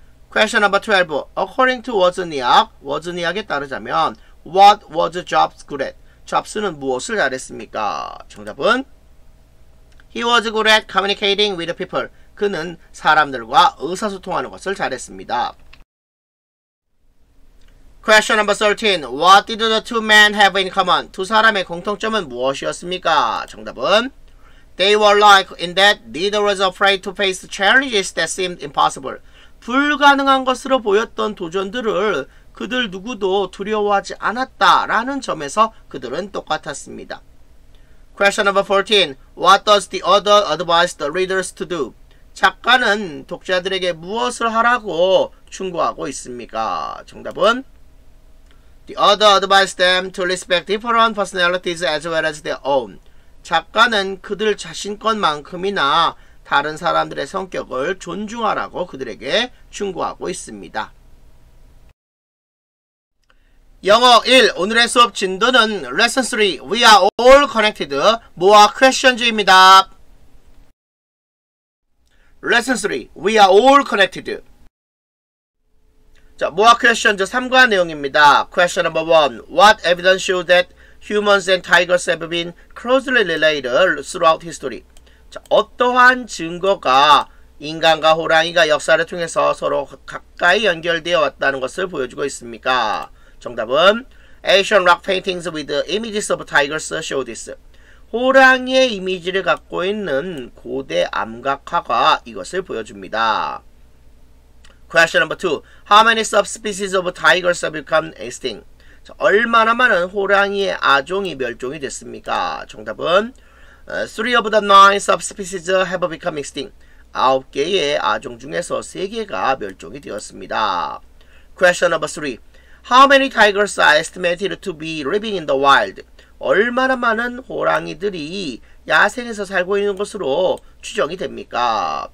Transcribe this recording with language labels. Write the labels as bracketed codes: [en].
[en] Question number 12. According to Wozniak, [ko] Wozniak에 따르자면 [en] What was Jobs good at? [ko] Jobs는 무엇을 잘했습니까? 정답은 [en] He was good at communicating with people. [ko] 그는 사람들과 의사소통하는 것을 잘했습니다. [en] Question number 13. What did the two men have in common? [ko] 두 사람의 공통점은 무엇이었습니까? 정답은 [en] They were like in that neither was afraid to face challenges that seemed impossible. [ko] 불가능한 것으로 보였던 도전들을 그들 누구도 두려워하지 않았다라는 점에서 그들은 똑같았습니다. [en] Question number 14. What does the author advise the readers to do? [ko] 작가는 독자들에게 무엇을 하라고 충고하고 있습니까? 정답은 [en] The author advised them to respect different personalities as well as their own. [ko] 작가는 그들 자신 것만큼이나 다른 사람들의 성격을 존중하라고 그들에게 충고하고 있습니다. 영어 1. 오늘의 수업 진도는 레슨 3. [en] We are all connected. 모아 퀘션즈입니다. 레슨 3. We are all connected. 자, 모아 퀘션즈 [ko] 3과 내용입니다. [en] Question number 1. What evidence shows that humans and tigers have been closely related throughout history. [ko] 자, 어떠한 증거가 인간과 호랑이가 역사를 통해서 서로 가까이 연결되어 왔다는 것을 보여주고 있습니까? 정답은 [en] Asian rock paintings with images of tigers show this. [ko] 호랑이의 이미지를 갖고 있는 고대 암각화가 이것을 보여줍니다. [en] Question number 2. How many subspecies of tigers have become extinct? [ko] 자, 얼마나 많은 호랑이의 아종이 멸종이 됐습니까? 정답은 [en] 3 of the 9 subspecies have become extinct. [ko] 아홉 개의 아종 중에서 세 개가 멸종이 되었습니다. [en] Question number 3. How many tigers are estimated to be living in the wild? [ko] 얼마나 많은 호랑이들이 야생에서 살고 있는 것으로 추정이 됩니까?